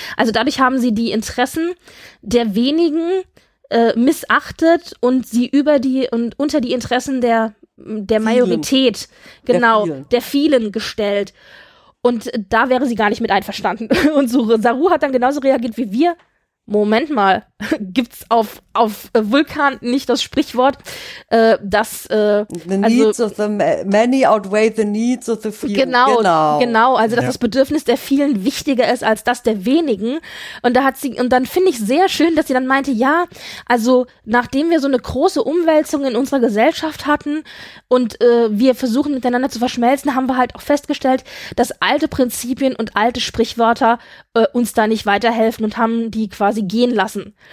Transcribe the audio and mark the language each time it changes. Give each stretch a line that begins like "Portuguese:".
German: Also dadurch haben sie die Interessen der wenigen missachtet und sie über die und unter die Interessen der Majorität, genau, der vielen gestellt und da wäre sie gar nicht mit einverstanden und Saru hat dann genauso reagiert wie wir. Moment mal, gibt's auf Vulkan nicht das Sprichwort, dass
English: Needs of the many outweigh the needs of the few.
German: Genau, also dass das Bedürfnis der vielen wichtiger ist als das der wenigen. Und da hat sie und dann finde ich sehr schön, dass sie dann meinte, ja, also nachdem wir so eine große Umwälzung in unserer Gesellschaft hatten und wir versuchen miteinander zu verschmelzen, haben wir halt auch festgestellt, dass alte Prinzipien und alte Sprichwörter uns da nicht weiterhelfen und haben die quasi gehen lassen.